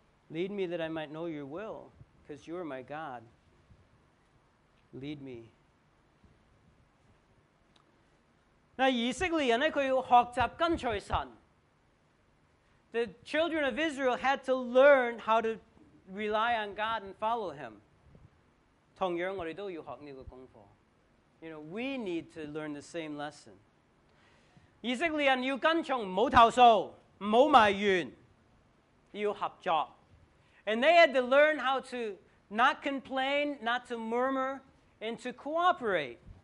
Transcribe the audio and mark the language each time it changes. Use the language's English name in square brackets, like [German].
[English] Lead me that I might know your will, because you are my God. Lead me. [Cantonese] 那以色列人呢，佢要学习跟随神。 [English] The children of Israel had to learn how to rely on God and follow him. [Cantonese] 同样我们都要学这个功课。 [English] You know, we need to learn the same lesson. [Cantonese] 以色列人要跟从，不要投诉，不要埋怨，要合作。 [English] And they had to learn how to not complain, not to murmur, and to cooperate.